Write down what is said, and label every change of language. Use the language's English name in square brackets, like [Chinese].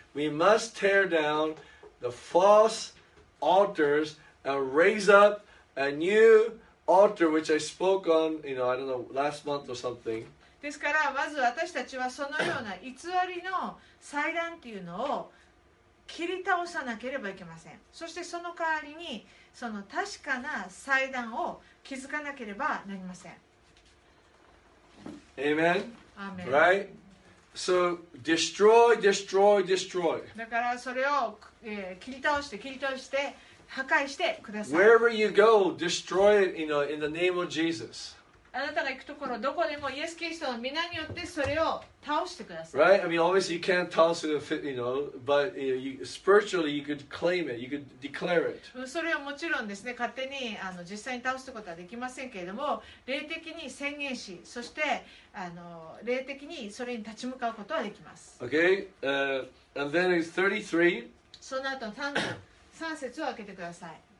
[English] We must tear down the false altars and raise up a new altar, which I spoke on, you know, I don't know, last month or something. [Japanese] ですから、まず私たちはそのような偽りの祭壇っていうのを切り倒さなければいけません。そしてその代わりに、その確かな祭壇を築かなければなりません。 [English] Amen. Amen. Right. So destroy, destroy, destroy. [Japanese] だからそれを、切り倒して切り倒して破壊してください。 [English] Wherever you go, destroy it. You know, in the name of Jesus. [Japanese] あなたが行くところどこでもイエス・キリストの皆によってそれを倒してください。 [English] Right. I mean, obviously you can't toss it, you know, but you know, you, spiritually you could claim it. You could declare it. [Japanese] それはもちろんですね。勝手にあの実際に倒すことはできませんけれども、霊的に宣言し、そしてあの霊的にそれに立ち向かうことはできます。 [English] Okay. And then it's 33. [Japanese] その後三節、三節を開けてください。